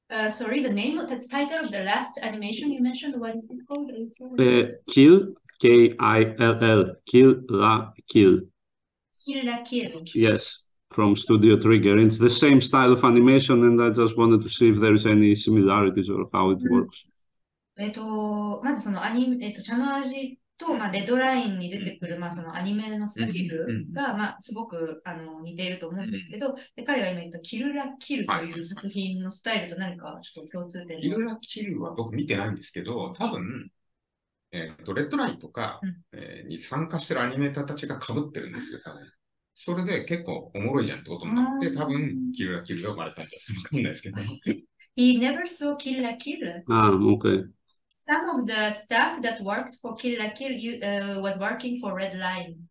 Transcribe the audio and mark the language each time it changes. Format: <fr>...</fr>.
<en>Sorry, the name of the title of the last animation you mentioned, what is it called? Kill, K-I-L-L, Kill la Kill. Kill la Kill. Yes, from Studio Trigger. It's the same style of animation, and I just wanted to see if there is any similarities or how it works.</en> <ja>まずそのアニメ、チャノアジと、まあ、デッドラインに出てくる、まあ、そのアニメのスキルが、まあ、すごく似ていると思うんですけど、で彼が今言ったキルラキルという作品のスタイルと何かちょっと共通点で、はい、キルラキルは僕見てないんですけど、多分、レッドラインとか、に参加してるアニメーターたちが被ってるんですよ、多分。それで結構おもろいじゃんってことになって、多分キルラキルが生まれたんじゃないかんですけど。</ja> <en>He never saw Kill la Kill. Okay. Some of the staff that worked for Kill la Kill was working for Red Line.</en>